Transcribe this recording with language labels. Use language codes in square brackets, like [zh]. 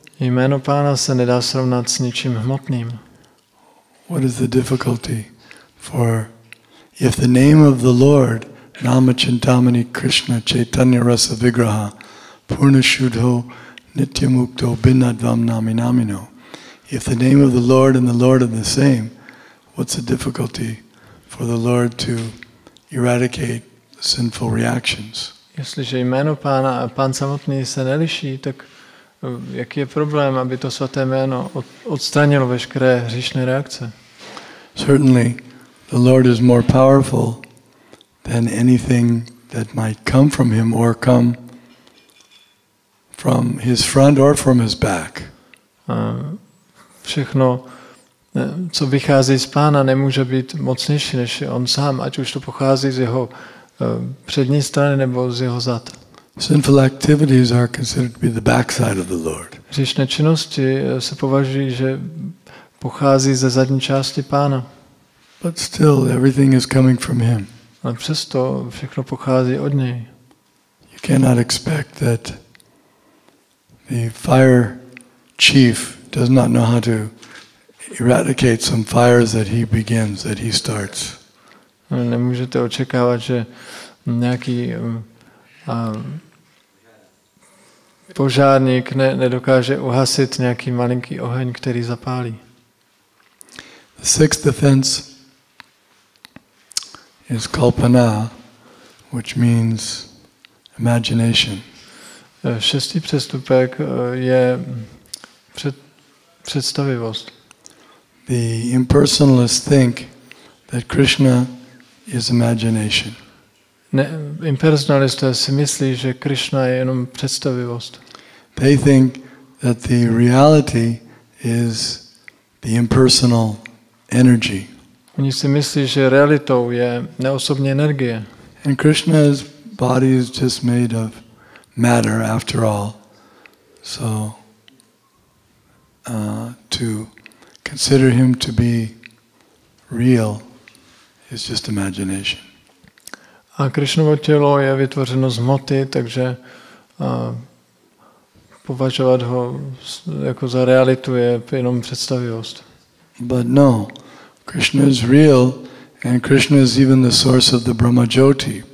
[cs] Jméno Pána se nedá srovnat s ničím hmotným. [en] What is the difficulty for if the name of the Lord [sa] Namachintamani Krishna Chaitanya Rasa Vigraha Purnashudho Nityamukto Binadvam Nami Namino. [en] If the name of the Lord and the Lord are the same, what's the difficulty for the Lord to eradicate sinful reactions? [cs] Jestliže jméno Pána a Pán samotný se neliší, tak jaký je problém, aby to svaté jméno odstranilo veškeré hříšné reakce? [en] Certainly, the Lord is more powerful than anything that might come from him or come from his front or from his back. [cs] Všechno, co vychází z Pána, nemůže být mocnější než on sám, ať už to pochází z jeho přední strany nebo z jeho zad. [en] Sinful activities are considered to be the backside of the Lord. [cs] Hříšné činnosti se považují, že pochází ze zadní části Pána. [en] But still, everything is coming from him. [cs] Ale přesto všechno pochází od něj. [en] You cannot expect that the fire chief does not know how to eradicate some fires that he begins, that he starts. [cs] Nemůžete očekávat, že nějaký požárník nedokáže uhasit nějaký malinký oheň, který zapálí. [en] The sixth offense is kalpana, which means imagination. [cs] Šestý přestupek je představivost. [en] The impersonalists think that Krishna is imagination. [cs] Impersonalisté si myslí, že Krishna je jenom představivost. [en] They think that the reality is the impersonal energy. [cs] Oni si myslí, že realitou je neosobní energie. [en] And Krishna's body is just made of matter after all. So to consider him to be real is just imagination. [cs] A Krishnovo tělo je vytvořeno z hmoty, takže považovat ho jako za realitu je jenom představivost. [en] But no, Krishna is real and Krishna is even the source of the Brahma Jyoti.